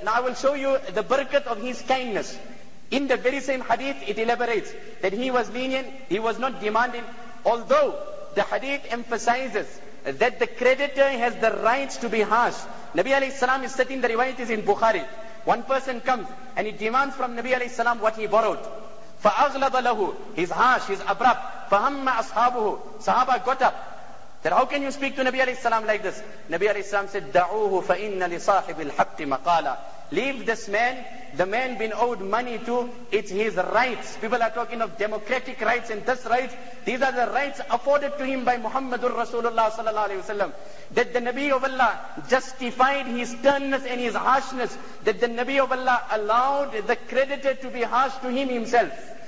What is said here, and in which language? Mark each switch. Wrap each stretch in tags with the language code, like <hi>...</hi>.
<en>Now I will show you the barakat of his kindness. In the very same hadith, it elaborates that he was lenient, he was not demanding, although the hadith emphasizes that the creditor has the rights to be harsh. Nabi alayhi salam is setting the riwayat is in Bukhari. One person comes and he demands from Nabi alayhi salam what he borrowed.</en> <ar>فَأَغْلَبَ لَهُ.</ar> <en>He's harsh, he's abrupt.</en> <ar>فَهَمَّ أَصْحَابُهُ.</ar> <en>Sahaba got up. Said, how can you speak to Nabi alayhi salam like this? Nabi alayhi salam said,</en> <ar>دَعُوهُ فَإِنَّ لِصَاحِبِ الْحَقِّ مَقَالًا.</ar> <en>Leave this man, the man been owed money to, it's his rights. People are talking of democratic rights and this rights. These are the rights afforded to him by Muhammadur Rasulullah sallallahu alayhi wasallam. That the Nabi of Allah justified his sternness and his harshness. That the Nabi of Allah allowed the creditor to be harsh to him himself.</en>